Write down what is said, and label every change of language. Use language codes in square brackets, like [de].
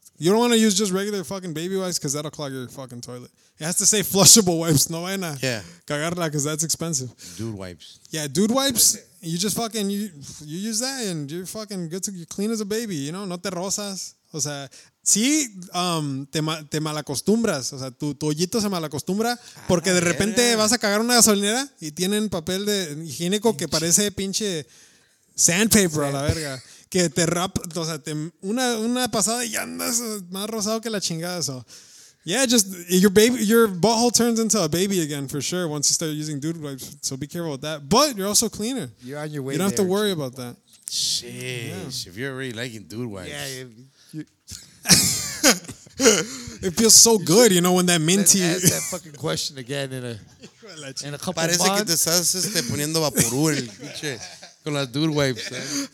[en] You don't want to use just regular fucking baby wipes because that'll clog your fucking toilet. It has to say flushable wipes. [es] No vaina. [en] Yeah. Cagarla, because that's expensive. Dude wipes. Yeah, dude wipes. You just fucking, you use that and you're fucking good to, you're clean as a baby, you know? [es] No te rosas. O sea, sí, te malacostumbras. O sea, tu hoyito se malacostumbra porque de repente vas a cagar una gasolinera y tienen papel de higiénico que parece pinche sandpaper a la verga. Que te rap, o sea, una pasada y andas más rosado que la chingada, eso. [en] Yeah, just your butthole turns into a baby again for sure once you start using dude wipes. So be careful with that. But you're also cleaner. You're on your way. You don't there, have to worry about that. Sheesh, yeah. If you're already liking dude wipes. Yeah, it feels so good, you know, when that minty. Ask that fucking question again in a couple [es] parece [en] of [es] parece que te estás poniendo vaporú el pinche con las dude wipes.